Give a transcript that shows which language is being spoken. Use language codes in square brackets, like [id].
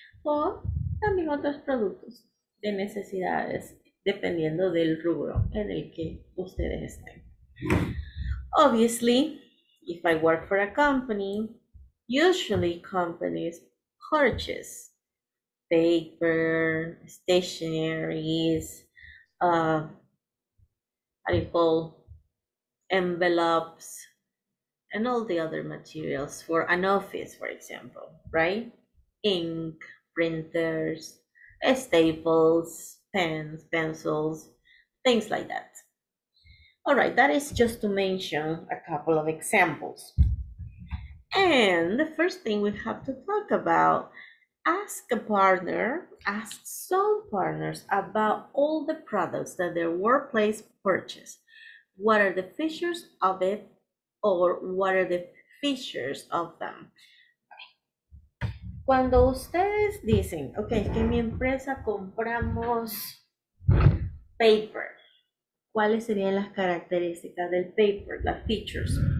[es] O también otros productos de necesidades, dependiendo del rubro en el que ustedes estén. [en] Obviously, if I work for a company, usually companies purchase paper, stationaries, how do you call, envelopes, and all the other materials for an office, for example, right? Ink, printers, staples, pens, pencils, things like that. All right, that is just to mention a couple of examples. And the first thing we have to talk about, ask a partner, ask some partners about all the products that their workplace purchase. What are the features of it, or what are the features of them? [es] Cuando ustedes dicen, okay, que mi empresa compramos paper, ¿cuáles serían las características del paper, las features?